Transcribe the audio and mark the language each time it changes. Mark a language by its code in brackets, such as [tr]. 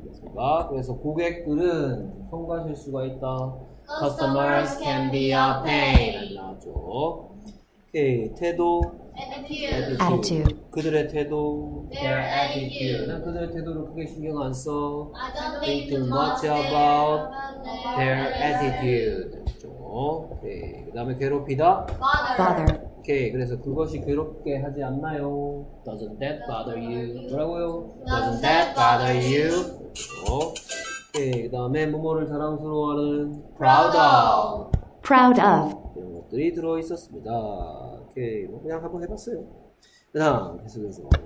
[ko] 그렇습니다. 그래서 고객들은 성가실 수가 있다. [en] Customers can be a pain. [ko] 나죠. 오케이. 태도 [en] attitude. [ko] 그들의 태도 [en] their attitude. [ko] 난 그들의 태도를 크게 신경 안 써. [en] I don't think too much about their attitude. [ko] 오케이. 그 다음에 괴롭히다? [en] Bother. [ko] 오케이. 그래서 그것이 괴롭게 하지 않나요? [en] Doesn't that bother you? [ko] 뭐라고요? [en] Doesn't that bother you? [ko] 오케이. 그 다음에 뭐뭐를 자랑스러워하는? [en] Proud of. Proud of. [ko] 이런 것들이 들어있었습니다. 오케이. 뭐 그냥 한번 해봤어요. 그 다음 계속해서.